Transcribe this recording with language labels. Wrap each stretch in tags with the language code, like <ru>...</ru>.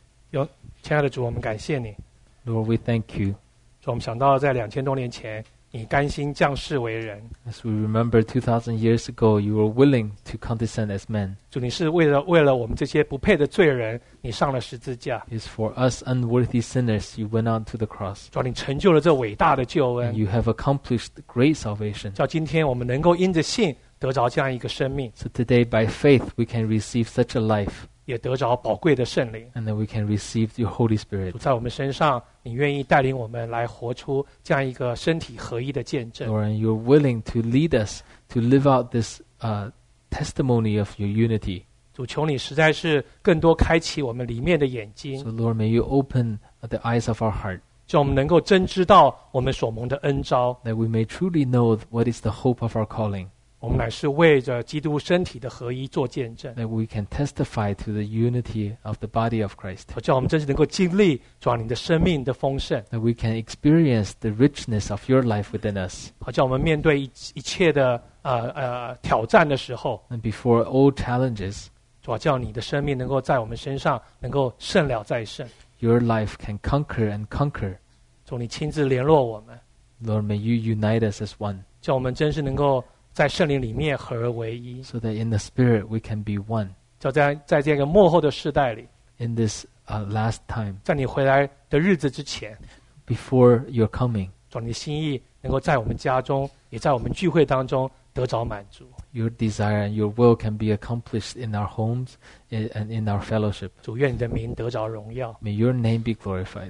<zh>有亲爱的主，我们感谢你。</zh> <en>Lord, we thank you.</en> <zh>主，我们想到在两千多年前。你甘心降世为人。</zh> <en>As we remember 2,000 years ago, you were willing to condescend as man.</en> <zh>主，你是为了我们这些不配的罪人，你上了十字架。</zh> <en>It's for us unworthy sinners, you went on to the cross.</en> <zh>主，你成就了这伟大的救恩。</zh> <en>And you have accomplished great salvation.</en> <zh>叫今天我们能够因着信得着这样一个生命。</zh> <en>So today, by faith, we can receive such a life.</en> <zh>也得着宝贵的圣灵。</zh> <en>And then we can receive your Holy Spirit.</en> <zh>主，在我们身上。你愿意带领我们来活出这样一个身体合一的见证。</zh> <en>Lord, you're willing to lead us to live out this testimony of your unity.</en> <zh>主，求你实在是更多开启我们里面的眼睛。</zh> <en>So Lord, may you open the eyes of our heart.</en> <zh>叫我们能够真知道我们所蒙的恩召。</zh> <en>That we may truly know what is the hope of our calling.</en> <zh>我们乃是为着基督身体的合一做见证。</zh> <en>That we can testify to the unity of the body of Christ.</en> <zh>叫我们真是能够经历主啊你的生命的丰盛。</zh> <en>That we can experience the richness of your life within us.</en> <zh>叫我们面对一切的挑战的时候。</zh> <en>And before all challenges.</en> <zh>主啊叫你的生命能够在我们身上能够胜了再胜。</zh> <en>Your life can conquer and conquer.</en> <zh>主你亲自联络我们。</zh> <en>Lord, may you unite us as one.</en> <zh>叫我们真是能够在圣灵里面合而为一。</zh> <en>So that in the Spirit we can be one.</en> <zh>就在这个末后的世代里。</zh> <en>In this last time.</en> <zh>在你回来的日子之前。</zh> <en>Before your coming.</en> <zh>主你的心意能够在我们家中也在我们聚会当中得着满足。</zh> <en>Your desire and your will can be accomplished in our homes and in our fellowship.</en> <zh>主愿你的名得着荣耀。</zh> <en>May your name be glorified.</en>